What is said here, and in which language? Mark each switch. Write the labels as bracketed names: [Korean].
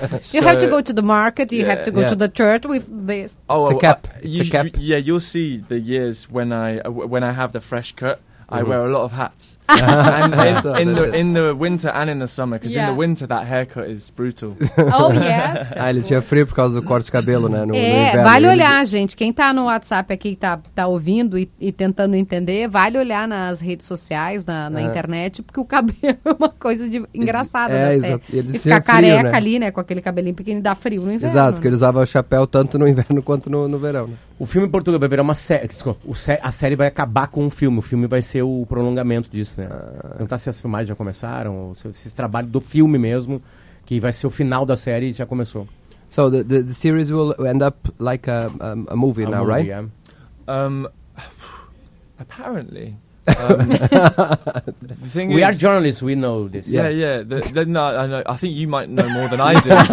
[English] So you have to go to the market, you have to go to the church with this. Oh, it's a cap. It's a cap. You'll see the years when I have the fresh cut. I wear a lot of hats. in the winter and in the summer, because in the winter that haircut is brutal. Oh, yes. [Portuguese] Ah, ele tinha frio por causa do corte de cabelo, né? No inverno. Vale olhar, gente. Quem tá no WhatsApp aqui, tá ouvindo e tentando entender, vale olhar nas redes sociais, na internet, porque o cabelo é uma coisa engraçada, né? Ele fica careca frio, né? Ali, né? Com aquele cabelinho pequeno, dá frio no inverno. Exato, né? Que ele usava chapéu tanto no inverno quanto no verão, né? O filme em Portugal vai virar uma série. A série vai acabar com um filme. O filme vai ser o prolongamento disso, né? Não tá se as filmagens já começaram, ou se esse trabalho do filme mesmo, que vai ser o final da série, já começou. [English] So the series will end up like a movie a now, movie, right? Yeah. Apparently. the thing we is, are journalists, we know this. Yeah. No, I know. I think you might know more than I do.